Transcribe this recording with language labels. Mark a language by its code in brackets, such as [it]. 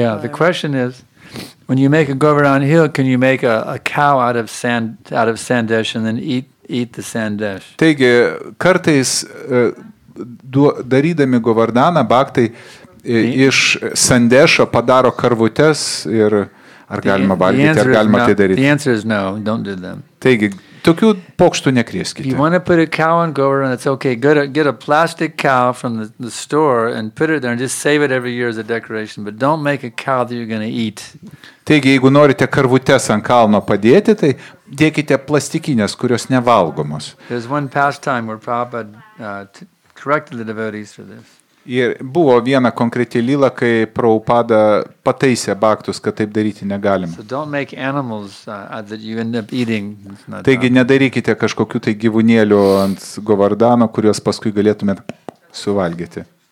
[en] Yeah, the question is, when you make a Govardhan Hill, can you make a cow out of sandesh and then eat the sandesh? [lt] Taigi, kartais darydami Govardhaną, baktai iš sandesho padaro karvutes ir ar galima valgyti, ar galima tai daryti? [en] The answer is no, don't do them. [lt] Taigi, tokių pokštų nekrieskite. [en] You want to put a cow on Govardhan, it's okay, get a plastic cow from the store and put it there and just save it every year as a decoration, but don't make a cow that you're going to eat. [lt] Taigi, jeigu norite karvutes ant kalno padėti, tai dėkite plastikinės, kurios nevalgomos. [en] There's one pastime where Prabhupada corrected the devotees for this. [lt] Ir buvo viena konkreti lyla, kai Prabhupada pataisė baktus, kad taip daryti negalima. [en] So don't make animals, that you end up eating. [lt] Taigi nedarykite kažkokių tai gyvūnėlių ant Govardhano, kuriuos paskui galėtumėt suvalgyti.